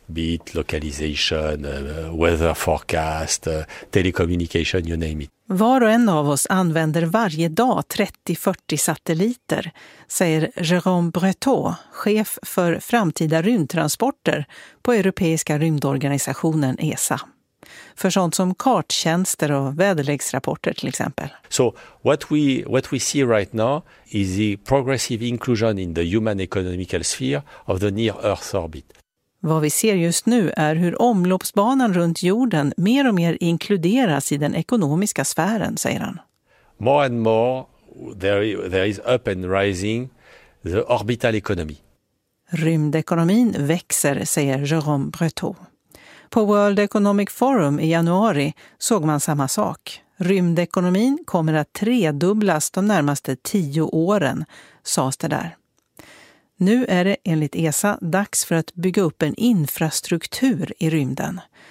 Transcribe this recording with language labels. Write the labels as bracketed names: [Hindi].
[English] Be it localization, weather forecast, telecommunication, you name it. [Swedish] Var och en av oss använder varje dag 30-40 satelliter, säger Jérôme Breton, chef för framtida rymdtransporter på Europeiska rymdorganisationen ESA. För sånt som karttjänster och väderleksrapporter till exempel. [English] So what we see right now is the progressive inclusion in the human economical sphere of the near Earth orbit. [Swedish] Vad vi ser just nu är hur omloppsbanan runt jorden mer och mer inkluderas i den ekonomiska sfären, säger han. [English] More and more there is up and rising the orbital economy. [Swedish] Rymdekonomin växer, säger Jérôme Breton. På World Economic Forum i januari såg man samma sak. Rymdekonomin kommer att tredubblas de närmaste 10 åren, sades det där. Nu är det, enligt ESA, dags för att bygga upp en infrastruktur i rymden.